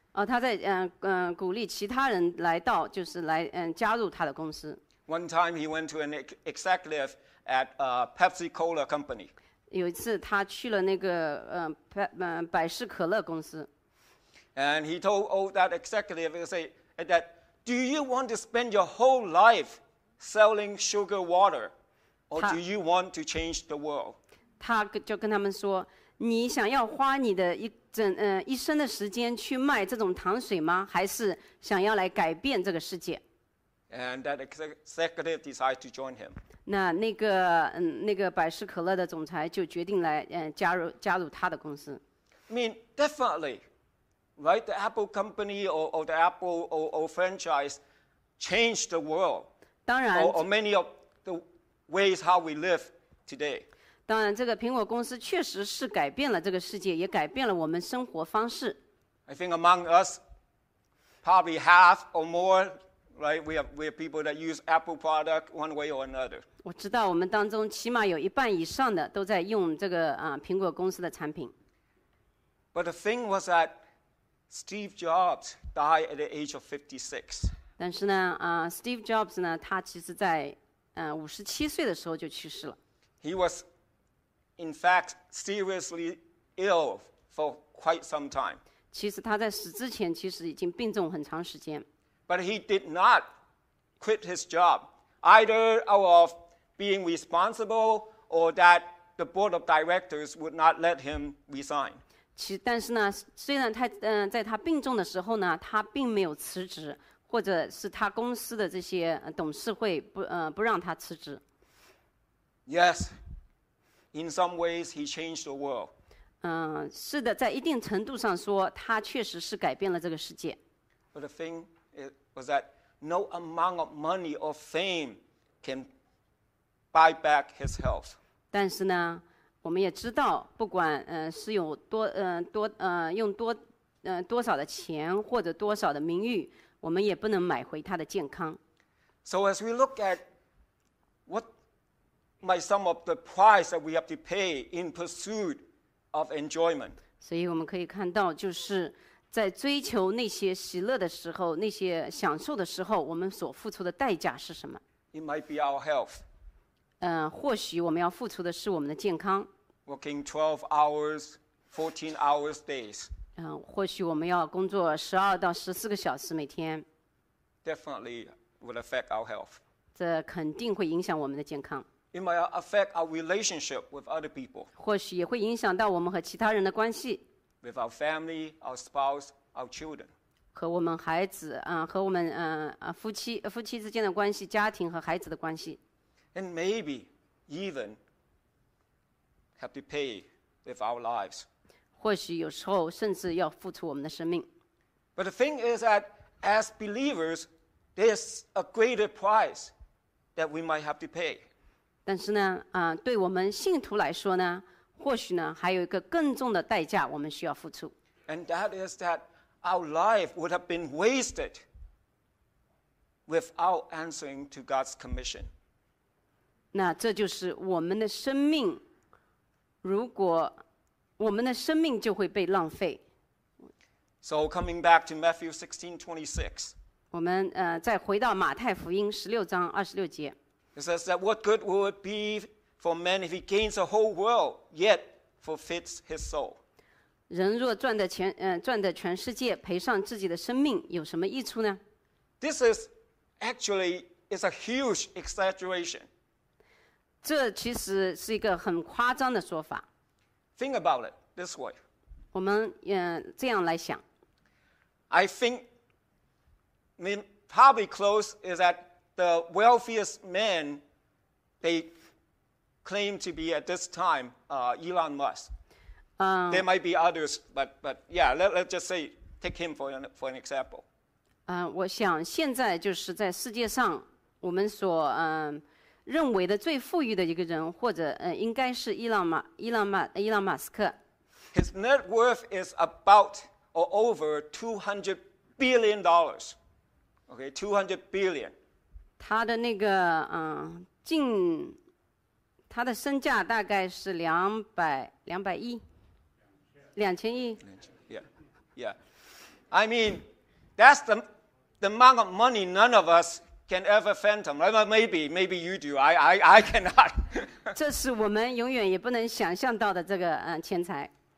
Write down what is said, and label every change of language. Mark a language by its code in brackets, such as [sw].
[zh] 他在鼓励其他人来到，就是来加入他的公司。 [en] One time he went to an executive at a Pepsi Cola company. [zh] 有一次他去了那个百事可乐公司。 [en] And he told all that executive that do you want to spend your whole life selling sugar water, or do you want to change the world? [zh] 他就跟他们说，你想要花你的一生的时间去卖这种糖水吗？还是想要来改变这个世界 [en] ？And that executive decided to join him. [zh] 那个百事可乐的总裁就决定来加入他的公司。 [en] I mean, definitely, right? The Apple company or the Apple franchise change the world. [zh] 当然 [en] or many of the ways how we live today. [zh] 当然这个苹果公司确实是改变了这个世界，也改变了我们生活方式。 [en] I think among us, probably half or more, right? We are people that use Apple product one way or another. [zh] 我知道我们当中起码有一半以上的都在用这个苹果公司的产品。 [en] But the thing was that Steve Jobs died at the age of 56. [zh] 但是呢Steve Jobs 呢他其实在57岁的时候就去世了。 [en] He was in fact seriously ill for quite some time. [zh] 其实他在死之前其实已经病重很长时间。 [en] But he did not quit his job, either out of being responsible or that the board of directors would not let him resign. [zh] 其实但是呢虽然他在他病重的时候呢他并没有辞职或者是他公司的这些董事会 不让他辞职。 [en] Yes, in some ways he changed the world. [zh] 是的在一定程度上说他确实是改变了这个世界。 [en] But the thing was that no amount of money or fame can buy back his health. [zh] 但是呢我们也知道不管是有多多用多多少的钱或者多少的名誉我们也不能买回他的健康。 [en] So as we look at what might some of the price that we have to pay in pursuit of enjoyment. [zh] 所以我们可以看到就是在追求那些喜乐的时候那些享受的时候我们所付出的代价是什么 [en] It might be our health. [zh] 或许我们要付出的是我们的健康。 [en] Working 12 hours, 14 hours days. [zh] 或许我们要工作12到14个小时每天。 [en] Definitely would affect our health. [zh] 这肯定会影响我们的健康。 [en] It might affect our relationship with other people. [zh] 或许也会影响到我们和其他人的关系。 [en] With our family, our spouse, our children. [zh] 和我们孩子和我们夫妻之间的关系家庭和孩子的关系。 [en] And maybe even have to pay with our lives. [zh] 或许有时候甚至要付出我们的生命。 [en] But the thing is that as believers, there's a greater price that we might have to pay. [zh] 但是呢对我们信徒来说呢或许呢还有一个更重的代价我们需要付出。 [en] And that is that our life would have been wasted without answering to God's commission. [zh] 那这就是我们的生命如果我们的生命就会被浪费。 [en] So coming back to Matthew 16:26. [zh] 我们再回到马太福音16:26节。 [en] It says that what good will it be for man if he gains the whole world yet forfeits his soul? [zh] 人若赚得钱赚得全世界赔上自己的生命有什么益处呢？ [en] This is actually is a huge exaggeration. [zh] 这其实是一个很夸张的说法。 [en] Think about it this way. [zh] 我们这样来想。 [en] I think probably close is that the wealthiest man they claim to be at this time, Elon Musk. There might be others, but yeah, let's just say take him for an example. [zh] 我想现在就是在世界上我们所认为的最富裕的一个人，或者应该是Elon Musk. [en] His net worth is about or over $200 billion. Okay, $200 billion. [zh] 他的那个净他的身价大概是两百亿，2000亿。 [en] Yeah, I mean, that's the amount of money none of us can ever fathom. Maybe you do. I cannot. [zh] 这是我们永远也不能想象到的这个钱财。